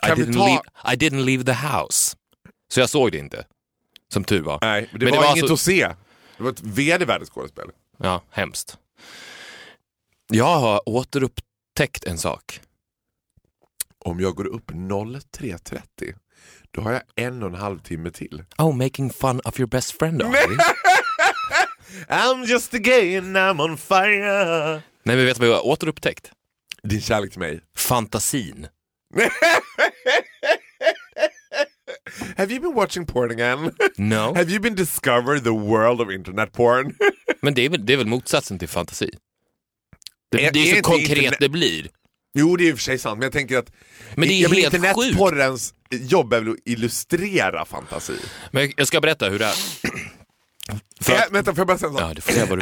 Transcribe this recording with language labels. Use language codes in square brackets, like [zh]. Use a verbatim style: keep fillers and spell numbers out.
[en] I didn't, ta... leave, I didn't leave the house. [sv] Så jag såg det inte. Som tur var. Nej, det, men var det var inget så... att se. Det var ett vedervärdigt skådespel. Ja, hemskt. Jag har återupptäckt en sak. Om jag går upp noll tre trettio, då har jag en och en halv timme till. [en] Oh, making fun of your best friend, are you? I'm just a gay and I'm on fire. [sv] Nej, men vet du vad jag har återupptäckt? Din kärlek till mig. Fantasin. [en] Have you been watching porn again? No. Have you been discovered the world of internet porn? [sv] Men det är väl, det är väl motsatsen till fantasi? Det, är, det är ju så konkret internet... det blir. Jo, det är ju för sig sant, men jag tänker att men det är helt internetporrens jobb är väl att illustrera fantasi. Men jag ska berätta hur det är. För att... äh, vänta, får jag bara säga en ja, det får jag bara...